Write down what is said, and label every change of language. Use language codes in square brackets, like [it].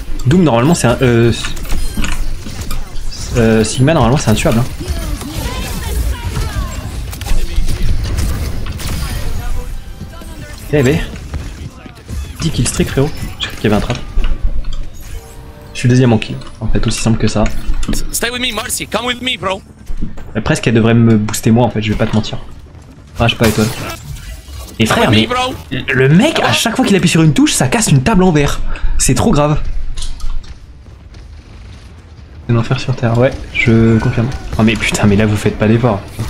[fr] Doom normalement c'est un Sigma normalement c'est intuable, hein. Eh ben 10 kills streak, frérot, j'ai cru qu'il y avait un trap. Je suis deuxième en kill, en fait, aussi simple que ça. [en] Stay with me, Marcy, come with me, bro. [fr] Presque elle devrait me booster moi, en fait, je vais pas te mentir. Rage pas étoile. Et frère, mais le mec, à chaque fois qu'il appuie sur une touche, ça casse une table en verre. C'est trop grave. C'est l'enfer sur terre, ouais, je confirme. Oh mais putain, mais là vous faites pas d'effort.